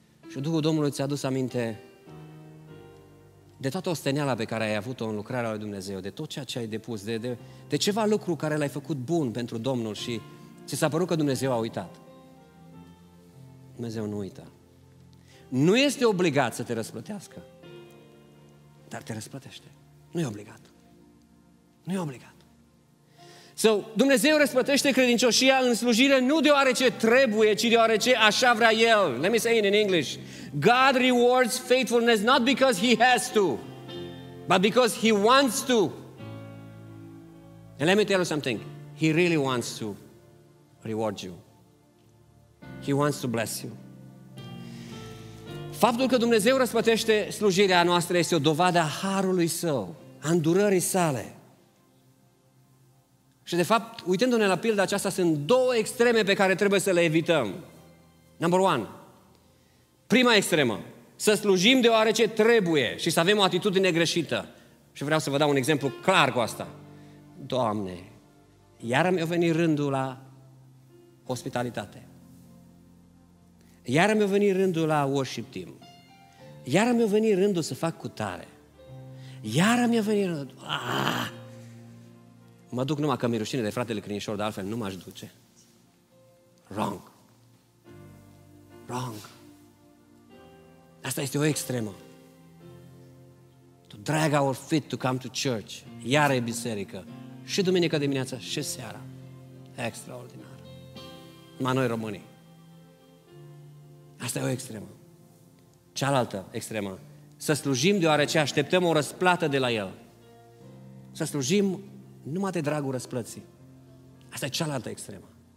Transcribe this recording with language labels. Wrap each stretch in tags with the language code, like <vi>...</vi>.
<ro>Și Duhul Domnului ți-a adus aminte de toată osteneala pe care ai avut-o în lucrarea lui Dumnezeu, de tot ceea ce ai depus, de ceva lucru care l-ai făcut bun pentru Domnul și ți s-a părut că Dumnezeu a uitat. Dumnezeu nu uită. Nu este obligat să te răsplătească, dar te răsplătește. Nu e obligat. Nu e obligat. So, Dumnezeu răsplătește credincioșia în slujire nu deoarece trebuie, ci deoarece așa vrea El.</ro> <en>Let me say it in English. God rewards faithfulness not because He has to, but because He wants to. And let me tell you something. He really wants to reward you. He wants to bless you.</en> <ro>Faptul că Dumnezeu răsplătește slujirea noastră este o dovadă a harului Său, a îndurării Sale. Și de fapt, uitându-ne la pilda aceasta, sunt două extreme pe care trebuie să le evităm.</ro> <en>Number one.</en> <ro>Prima extremă. Să slujim deoarece trebuie și să avem o atitudine greșită. Și vreau să vă dau un exemplu clar cu asta. Doamne, iar mi-a venit rândul la ospitalitate. Iar mi-a venit rândul la worship team. Iar mi-a venit rândul să fac cutare. Iar mi-a venit rândul. Mă duc numai că mi-e rușine de fratele Crinișor, de altfel nu m-aș duce.</ro> <en>Wrong.</en> <ro>Asta este o extremă.</ro> <en>To drag our feet to come to church.</en> <ro>Iar e biserică. Și duminică dimineața și seara. Extraordinar. Numai noi românii. Asta e o extremă. Cealaltă extremă. Să slujim deoarece așteptăm o răsplată de la El. Să slujim numai de dragul răsplății. Asta e cealaltă extremă.</ro>